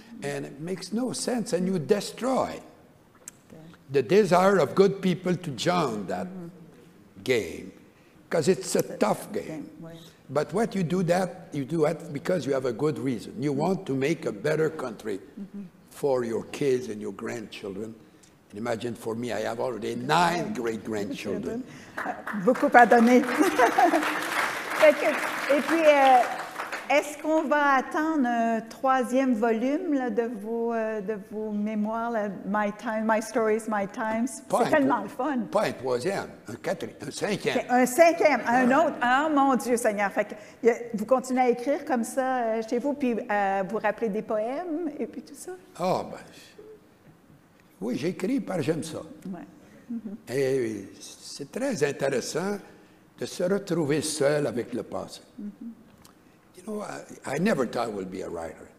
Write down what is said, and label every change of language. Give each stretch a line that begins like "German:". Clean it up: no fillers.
English: And it makes no sense, and you destroy the desire of good people to join that game, because it's a tough game. But what you do that because you have a good reason. You want to make a better country for your kids and your grandchildren. And imagine for me, I have already 9 great-grandchildren.
French: Beaucoup pardonné. Fait que, et puis, est-ce qu'on va attendre un troisième volume là, de vos mémoires, là, My Time, My Stories, My Times? Pas c'est tellement le fun. Pas un troisième, un quatrième, un cinquième. Okay, un cinquième, ouais. Un autre. Oh mon Dieu, Seigneur. Fait que, vous continuez à écrire comme ça chez vous, puis vous rappelez des poèmes et puis tout ça? Oh, ben. Oui, j'écris parce que j'aime ça. Ouais. Mm-hmm. Et c'est très intéressant de se retrouver seul avec le passé. Mm-hmm.
English: Oh, I never thought I would be a writer.